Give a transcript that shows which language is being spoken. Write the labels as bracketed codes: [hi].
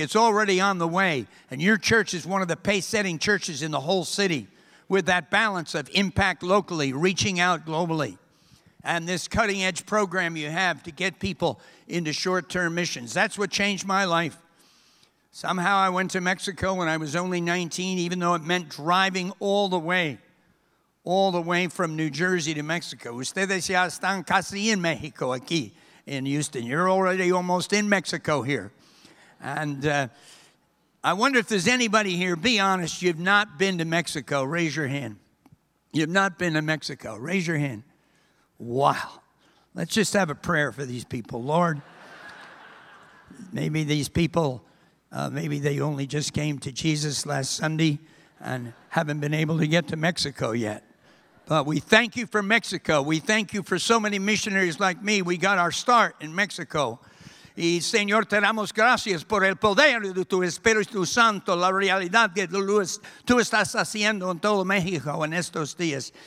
[en] It's already on the way, and your church is one of the pace-setting churches in the whole city with that balance of impact locally, reaching out globally, and this cutting-edge program you have to get people into short-term missions. That's what changed my life. Somehow I went to Mexico when I was only 19, even though it meant driving all the way. All the way from New Jersey to Mexico. [es] Ustedes ya están casi en México, aquí [en] in Houston. You're already almost in Mexico here. And I wonder if there's anybody here, be honest, you've not been to Mexico. Raise your hand. You've not been to Mexico. Raise your hand. Wow. Let's just have a prayer for these people. Lord, maybe these people, maybe they only just came to Jesus last Sunday and haven't been able to get to Mexico yet. But we thank you for Mexico. We thank you for so many missionaries like me. We got our start in Mexico. [es] Y Señor, te damos gracias por el poder de tu Espíritu Santo, la realidad que tú estás haciendo en todo México en estos días.